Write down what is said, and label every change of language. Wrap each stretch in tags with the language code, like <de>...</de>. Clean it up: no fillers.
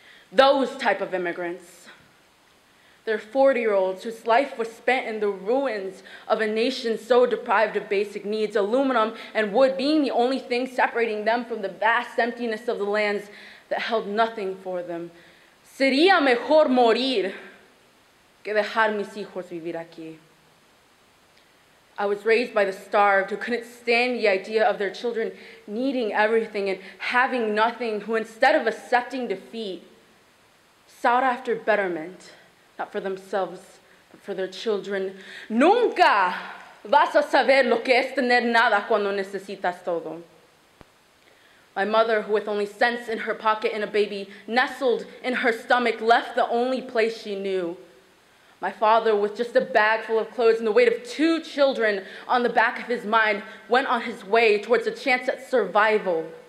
<en>Those type of immigrants. They're 40-year-olds whose life was spent in the ruins of a nation so deprived of basic needs, aluminum and wood being the only thing separating them from the vast emptiness of the lands that held nothing for them.</en> <es>Sería mejor morir que dejar mis hijos vivir aquí.</es> <en>I was raised by the starved who couldn't stand the idea of their children needing everything and having nothing, who instead of accepting defeat, sought after betterment, not for themselves, but for their children.</en> <es>Nunca vas a saber lo que es tener nada cuando necesitas todo.</es> <en>My mother, who with only cents in her pocket and a baby nestled in her stomach, left the only place she knew. My father, with just a bag full of clothes and the weight of two children on the back of his mind, went on his way towards a chance at survival.</en>